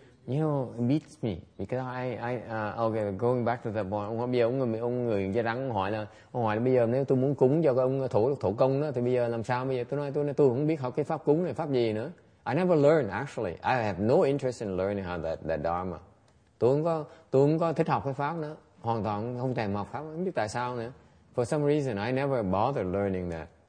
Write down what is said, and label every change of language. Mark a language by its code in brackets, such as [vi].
[en] You know, it beats me because I going back to the point. [vi] Ông người da trắng hỏi là bây giờ nếu tôi muốn cúng cho ông thổ công đó thì bây giờ làm sao bây giờ? Tôi nói tôi không biết học cái pháp cúng này pháp gì nữa. [en] I never learned actually. I have no interest in learning how that dharma. [vi] Tôi không có thích học cái pháp nữa. Hoàn toàn không thèm học pháp, không biết tại sao nữa. [en] For some reason, I never bothered learning that.